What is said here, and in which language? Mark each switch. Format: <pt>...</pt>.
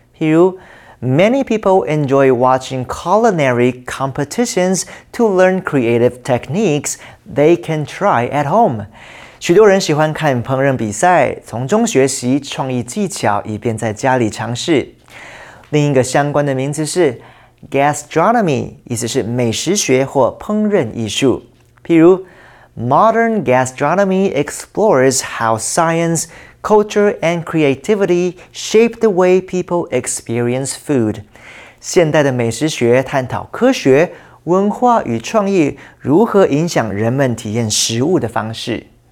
<en>譬如Many people enjoy watching culinary competitions to learn creative techniques they can try at home.</en> <zh>许多人喜欢看烹饪比赛，从中学习创意技巧，以便在家里尝试。另一个相关的名词是 gastronomy, 意思是美食学或烹饪艺术。</zh> <en>譬如 Modern gastronomy explores how science,Culture and creativity shape the way people experience food.</en> <zh>现代的美食学探讨科学、文化与创意如何影响人们体验食物的方式。</zh>